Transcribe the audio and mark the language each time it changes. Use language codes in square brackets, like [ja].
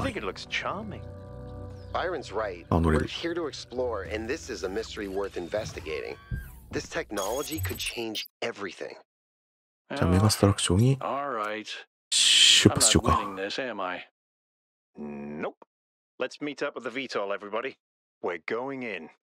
[en] I think it looks charming. Byron's right. We're here to explore, and this is a mystery worth investigating. This technology could change everything. [ja] じゃあメガストラクションに出発しようか。 [en] Nope. Let's meet up with the VTOL, everybody. We're going in.